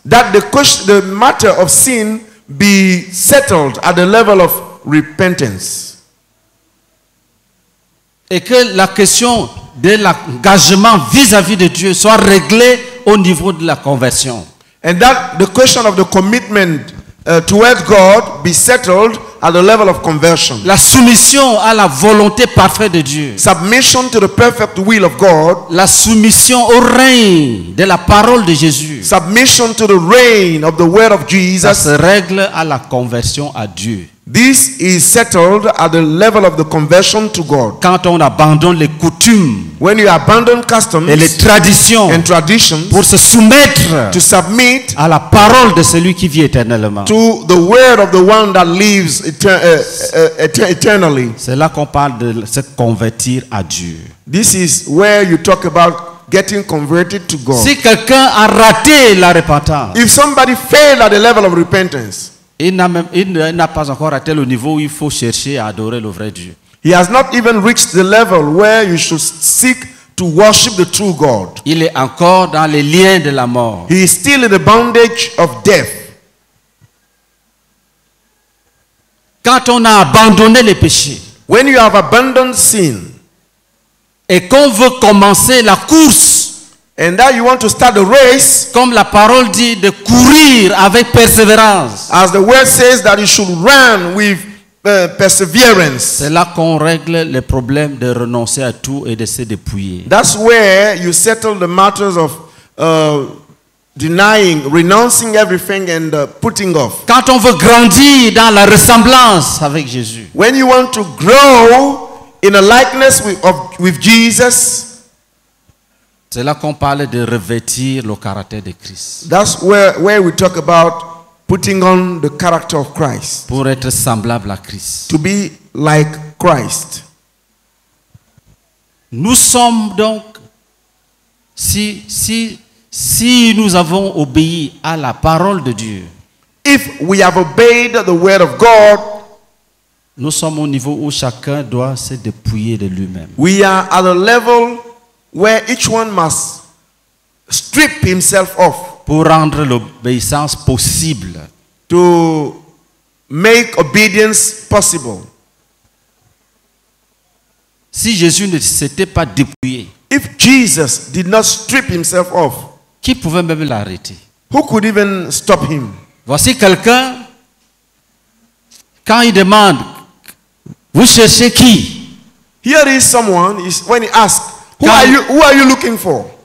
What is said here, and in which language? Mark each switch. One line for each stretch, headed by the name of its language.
English: That the matter of sin be settled at the level of repentance.
French: Et que la question de l'engagement vis-à-vis de Dieu soit réglée au niveau de la conversion.
English: And that the question of the commitment toward God be settled at the level of conversion.
French: La soumission à la volonté parfaite de Dieu.
English: Submission to the perfect will of God.
French: La soumission au règne de la parole de Jésus.
English: Submission to the reign of the word of Jesus.
French: Ça se règle à la conversion à Dieu.
English: This is settled at the level of the conversion to God.
French: Quand on abandonne les coutumes,
English: when you abandon customs
French: et les traditions,
English: and traditions,
French: pour se soumettre,
English: to submit
French: à la parole de celui qui vit éternellement,
English: to the word of the one that lives eternally.
French: C'est là qu'on parle de se convertir à Dieu.
English: This is where you talk about getting converted to God.
French: Si quelqu'un a raté la repentance,
English: if somebody failed at the level of repentance,
French: Il n'a pas encore atteint le niveau où il faut chercher à adorer le vrai Dieu.
English: He has not even reached the level where you should seek to worship the true God.
French: Il est encore dans les liens de la mort.
English: He is still in the bondage of death.
French: Quand on a abandonné les péchés,
English: when you have abandoned sin,
French: et qu'on veut commencer la course,
English: and that you want to start the race,
French: comme la parole dit, de courir avec persévérance,
English: as the word says that you should run with perseverance.
French: C'est là qu'on règle les problèmes de renoncer à tout et de se dépouiller.
English: That's where you settle the matters of denying, renouncing everything and putting off.
French: Quand on veut grandir dans la ressemblance avec Jésus,
English: when you want to grow in a likeness with Jesus,
French: c'est là qu'on parle de revêtir le caractère de Christ.
English: That's where we talk about putting on the character of Christ.
French: Pour être semblable à Christ.
English: To be like Christ.
French: Nous sommes donc, si nous avons obéi à la parole de Dieu,
English: if we have obeyed the word of God,
French: nous sommes au niveau où chacun doit se dépouiller de lui-même.
English: We are at a level where each one must strip himself off,
French: pour rendre l'obéissance possible,
English: to make obedience possible.
French: Si Jésus ne s'était pas dépouillé,
English: if Jesus did not strip himself off,
French: qui pouvait même l'arrêter?
English: Who could even stop him?
French: Voici quelqu'un, quand il demande, vous cherchez qui?
English: Here is someone, when he asks, Who are you looking for?